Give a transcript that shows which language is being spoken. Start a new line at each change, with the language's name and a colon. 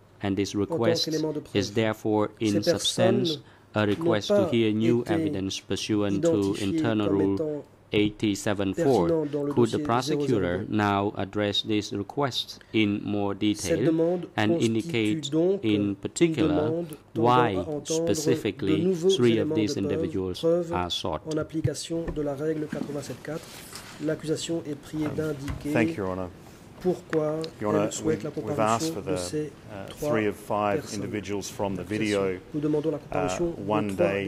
English: And this request is therefore in substance a request to hear new evidence pursuant to Internal Rule 874. Could the prosecutor now address this request in more detail and indicate in particular why specifically three of these individuals are sought?
French: En application de la règle 874, l'accusation est priée d'indiquer.
English: Thank you, Your Honor. Your Honour, we've asked for the three of five individuals from the video one day